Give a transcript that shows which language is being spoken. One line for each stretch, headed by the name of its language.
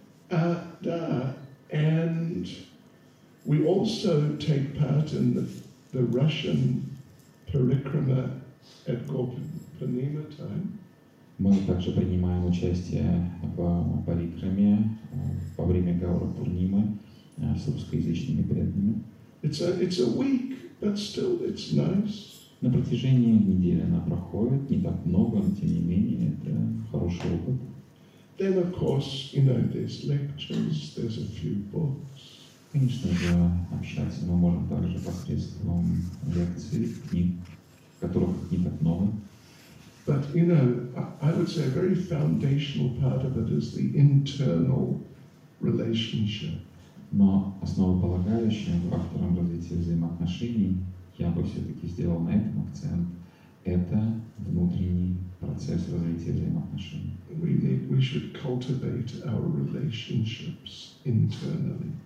English: And we also take part in the Russian parikrama at Gopinima time.
Russian: Мы также принимаем участие в парикраме во время Гаура Пурнимы с русскоязычными преданными.
English: It's a week, but still it's nice.
Russian: На протяжении недели она проходит не так много, но тем не менее это хороший опыт.
English: Then, of course, you know, there's lectures, there's a few books.
Russian: Конечно же, общаться мы можем также посредством лекций, книг, которых не так много.
English: But, you know, I would say a very foundational part of it is the internal relationship.
Russian: Но основополагающим фактором развития взаимоотношений, я бы все-таки сделал на этом акцент, это внутренний процесс развития взаимоотношений.
English: We should cultivate our relationships internally.